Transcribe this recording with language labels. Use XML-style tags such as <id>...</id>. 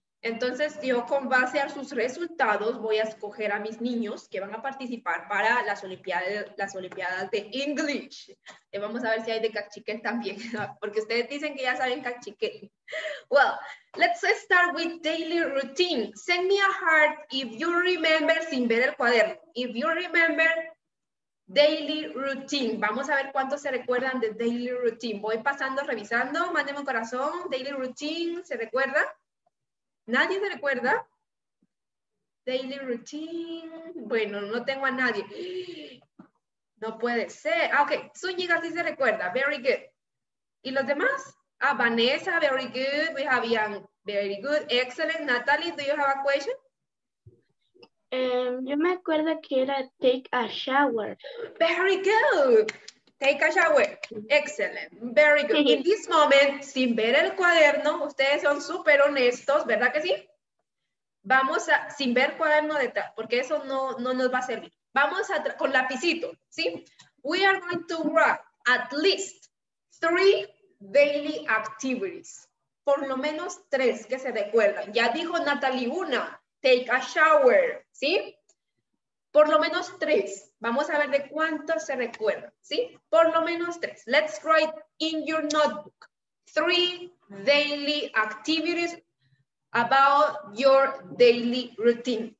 <es>Entonces, yo con base a sus resultados voy a escoger a mis niños que van a participar para las olimpiadas de English. Y vamos a ver si hay de cachiquén también, porque ustedes dicen que ya saben cachiquén.</es> <en>Well, let's start with daily routine. Send me a heart if you remember,</en> <es>sin ver el cuaderno,</es> <en>if you remember daily routine.</en> <es>Vamos a ver cuántos se recuerdan de daily routine. Voy pasando, revisando, mándenme un corazón. Daily routine, ¿se recuerda? ¿Nadie se recuerda? Daily routine. Bueno, no tengo a nadie. No puede ser. Ah, ok. Zúñiga sí se recuerda.</es> <en>Very good.</en> <es>¿Y los demás?</es> <en>Ah, Vanessa, very good. We have Ian, very good. Excellent. Natalie, do you have a question?</en> <es>Yo me acuerdo que era</es> <en>take a shower. Very good. Take a shower. Excellent. Very good. In this moment,</en> <es>sin ver el cuaderno, ustedes son súper honestos, ¿verdad que sí? Vamos a, sin ver cuaderno detrás, porque eso no, no nos va a servir. Vamos a, con lapicito, ¿sí?</es> <en>We are going to write at least 3 daily activities.</en> <es>Por lo menos 3 que se recuerdan. Ya dijo Natalie una,</es> <en>take a shower,</en> <es>¿sí? Por lo menos 3. Vamos a ver de cuántos se recuerdan, ¿sí? Por lo menos 3.</es> <en>Let's write in your notebook 3 daily activities about your daily routine.</en>